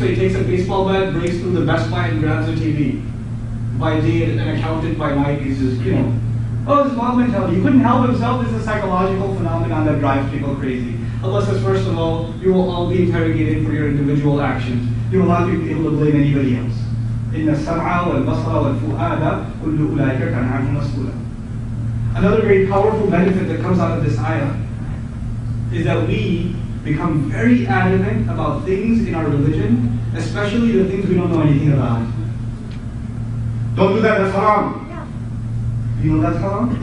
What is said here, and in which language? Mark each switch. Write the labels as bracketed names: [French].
[English] So he takes a baseball bat, breaks through the Best Buy, and grabs a TV. By day and an accountant by night, he's just, you know, oh, it's mob mentality. He couldn't help himself. This is a psychological phenomenon that drives people crazy. Allah says, first of all, you will all be interrogated for your individual actions. You will not be able to blame anybody else. [Arabic] إِنَّ السَّمْعَ وَالْبَصْرَ وَالْفُؤَادَ كُلُّ أُولَٰئِكَ كَانَ عَنْهُ مَسْئُولًا. [English] Another very powerful benefit that comes out of this ayah is that we become very adamant about things in our religion, especially the things we don't know anything about. Don't do that, that's haram. Yeah. You know that's haram?